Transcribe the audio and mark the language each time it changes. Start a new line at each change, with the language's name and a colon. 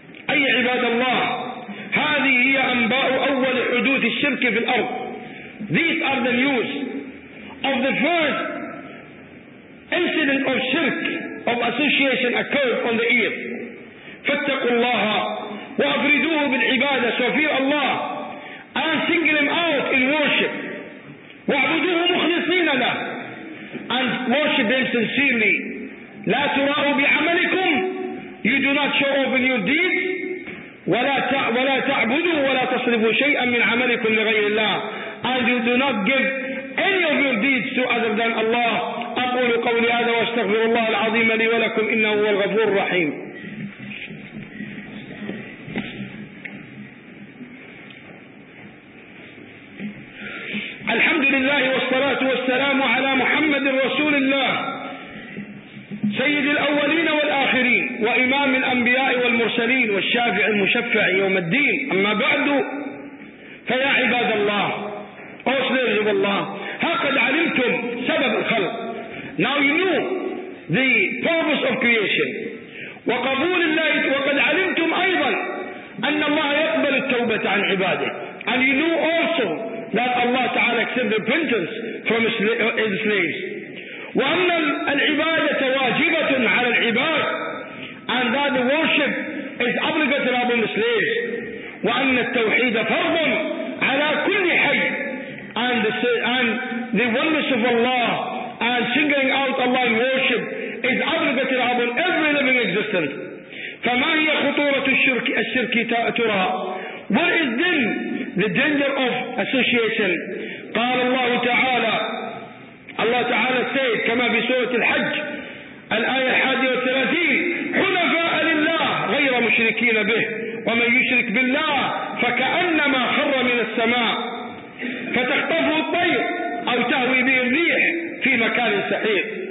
Arabic: أي عباد الله هذه هي أنباء أول حدوث الشرك في الأرض.
English: These are the news of the first incident of shirk of association occurred on the earth.
Arabic: فاتقوا الله وأفردوه بالعبادة.
English: So fear Allah and single him out in worship.
Arabic: واعبدوه مخلصين له.
English: And worship them sincerely.
Arabic: لا تراءوا بعملكم.
English: You do not show off in your deeds.
Arabic: ولا تعبدوا ولا تصرفوا شيئا من عملكم لغير الله.
English: And you do not give any of your deeds to other than Allah.
Arabic: أقول قولي هذا واستغفر الله العظيم لي ولكم إنه هو الغفور الرحيم. الحمد لله والصلاة والسلام على محمد رسول الله سيد الأولين والآخرين وإمام الأنبياء والمرسلين والشافع المشفع يوم الدين. أما بعد, فيا عباد الله, أوصي عباد الله, ها قد علمتم سبب الخلق.
English: Now you know the purpose of creation.
Arabic: وقبول الله, وقد علمتم أيضا أن الله يقبل التوبة عن عباده.
English: And you know also that Allah Ta'ala accepts the repentance from his slaves.
Arabic: وَأَمَّا الْعِبَادَةَ وَاجِبَةٌ عَلَى الْعِبَادِ.
English: And that the worship is obligated upon the slaves.
Arabic: وَأَنَّ التَّوْحِيدَ فَرْضٌ عَلَى كُلِّ حَيٍّ.
English: And the oneness of Allah and singling out Allah in worship is obligated upon every living existence.
Arabic: فَمَا هِيَ خُطُورَةُ الشِّرْكِ تُرَى.
English: What is then the danger of association?
Arabic: قال الله تعالى, الله تعالى said كما في سورة الحج الآية 31, حنفاء لله غير مشركين به ومن يشرك بالله فكأنما خر من السماء فتخطفه الطير أو تهوي به الريح في مكان سحيق.